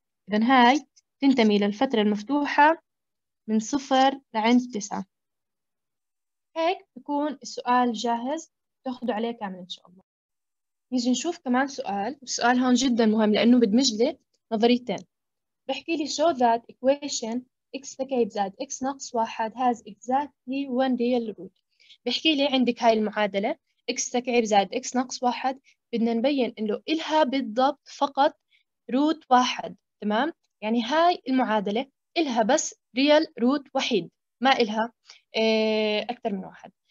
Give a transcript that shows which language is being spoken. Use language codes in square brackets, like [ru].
[ar] اذا هاي تنتمي للفترة المفتوحة من 0 لعند 9. هيك بكون السؤال جاهز، تاخذوا عليه كامل إن شاء الله. نيجي نشوف كمان سؤال، والسؤال هون جدا مهم لأنه بدمج لي نظريتين. بحكي لي [en] show that equation x [ar] تكعب زاد [en] x [ar] ناقص [en] 1 has exactly one real root. [ar] بحكي لي عندك هاي المعادلة x تكعب زاد x ناقص 1، بدنا نبين إنه إلها بالضبط فقط root 1، تمام؟ يعني هاي المعادلة إلها بس ريال روت وحيد، ما إلها أكثر من واحد.